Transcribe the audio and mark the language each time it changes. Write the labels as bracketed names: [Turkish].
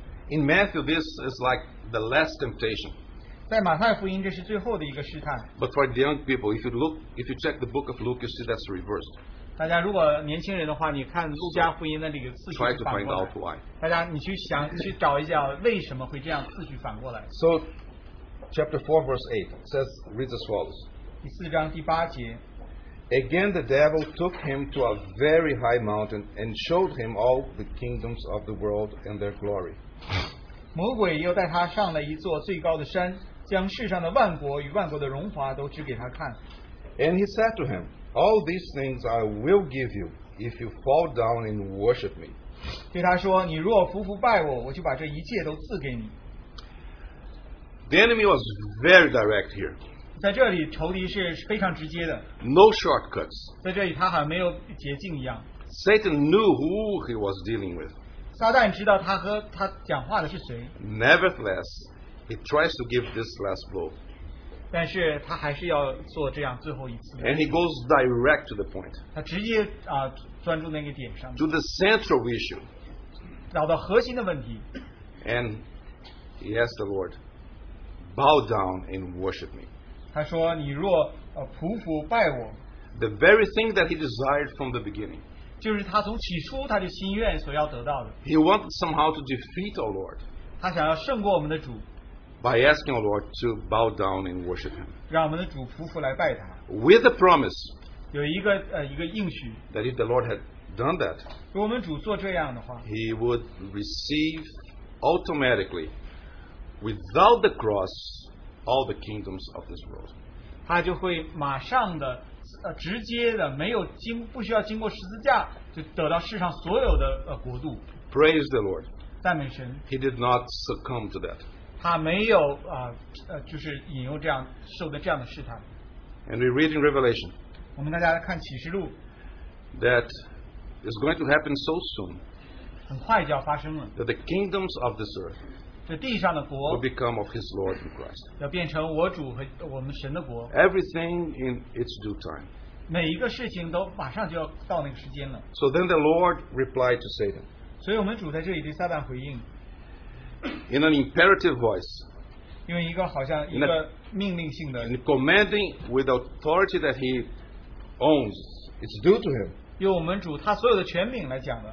[English] In Matthew, this is like the last temptation. [Chinese] 在马太福音，这是最后的一个试探. [English] But for the young people, if you check the book of Luke, you see that's reversed. [Chinese] 大家如果年轻人的话, 你看路加福音那里的次序反过来, [English] so try to find out why. [Chinese] 大家你去想, 去找一下为什么会这样次序反过来. [English] So chapter 4 verse 8 says, reads as follows. [Chinese] 第四章第八节, [English] again the devil took him to a very high mountain and showed him all the kingdoms of the world and their glory. [Chinese] 魔鬼又带他上了一座最高的山, 将世上的万国与万国的荣华都指给他看. [English] And he said to him, all these things I will give you if you fall down and worship me. [Chinese] 对他说, 你若服服拜我, 我就把这一切都赐给你. [English] The enemy was very direct here. [Chinese] 在这里, 仇敌是非常直接的. [English] No shortcuts. [Chinese] 在这里他好像没有捷径一样. [English] Satan knew who he was dealing with. [Chinese] 撒旦知道他和他讲话的是谁. [English] Nevertheless, he tries to give this last blow. [Chinese] 但是他还是要做这样最后一次. [English] And he goes direct to the point. [Chinese] 他直接, 专注那个点上, [English] to the central issue. [Chinese] 找到核心的问题. [English] And he asked the Lord, bow down and worship me. [Chinese] 他说, 你若, 匍匐拜我, [English] the very thing that he desired from the beginning. [Chinese] 就是他从起初他就心愿所要得到的. [English] He wanted somehow to defeat our Lord. [Chinese] 他想要胜过我们的主. [English] By asking our Lord to bow down and worship him. [Chinese] 让我们的主匍匐来拜他, [English] with the promise [Chinese] 有一个, 一个应许, [English] that if the Lord had done that, [Chinese] 如果我们主做这样的话, [English] he would receive automatically, without the cross, all the kingdoms of this world. [Chinese] 他就会马上的, 直接的, 没有经, 不需要经过十字架, 就得到世上所有的, [English] God. Praise the Lord. [Chinese] 赞美神. [English] He did not succumb to that. [Chinese] 他没有, 就是引诱这样, [English] and we read in Revelation [Chinese] 我们大家看启示录, [English] that it's going to happen so soon, [Chinese] 很快就要发生了, [English] that the kingdoms of this earth [Chinese] 这地上的国, [English] will become of his Lord in Christ. [Chinese] 要变成我主和我们神的国, [English] everything in its due time. [Chinese] 每一个事情都马上就要到那个时间了. [English] So then the Lord replied to Satan. [Chinese] 所以我们主在这里对撒旦回应, [English] in an imperative voice, [Chinese] 因为一个好像一个命令性的, [English] in commanding with authority that he owns, it's due to him. [Chinese] 用我们主他所有的权柄来讲的,